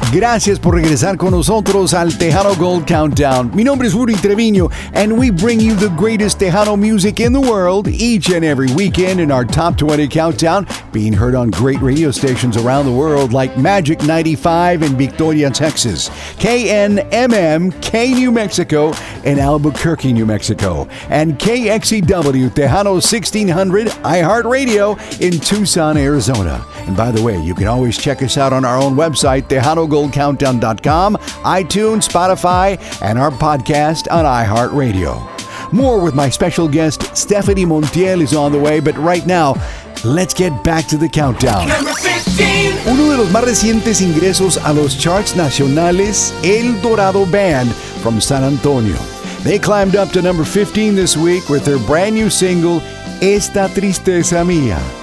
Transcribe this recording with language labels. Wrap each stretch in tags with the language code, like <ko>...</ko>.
<es>Gracias por regresar con nosotros al Tejano Gold Countdown. Mi nombre es Rudy Treviño,</es> <en>and we bring you the greatest Tejano music in the world each and every weekend in our Top 20 Countdown, being heard on great radio stations around the world like Magic 95 in Victoria, Texas, KNMM, K New Mexico, in Albuquerque, New Mexico, and KXEW Tejano 1600 iHeartRadio in Tucson, Arizona. And by the way, you can always check us out on our own website, TejanoGoldCountdown.com, iTunes, Spotify, and our podcast on iHeartRadio. More with my special guest, Stephanie Montiel, is on the way, but right now, let's get back to the countdown.</en> <es>Uno de los más recientes ingresos a los charts nacionales, El Dorado Band from San Antonio.</es> <en>They climbed up to number 15 this week with their brand new single, Esta Tristeza Mía.</en>